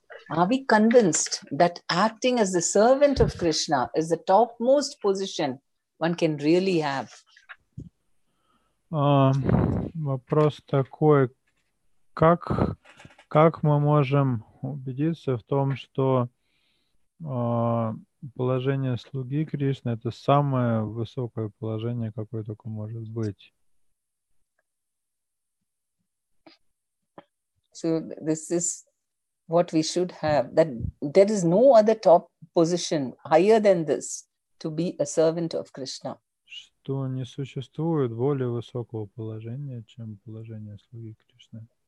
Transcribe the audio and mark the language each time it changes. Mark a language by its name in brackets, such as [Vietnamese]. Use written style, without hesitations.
[English] Are we convinced that acting as the servant of Krishna is the topmost position one can really have? [Russian] Вопрос такой: как мы можем убедиться в том, что положение слуги Кришны — это самое высокое положение, какое только может быть. [English] So this is what we should have, that there is no other top position higher than this to be a servant of Krishna. [Russian] Что не существует более высокого положения, чем положение слуги Кришны.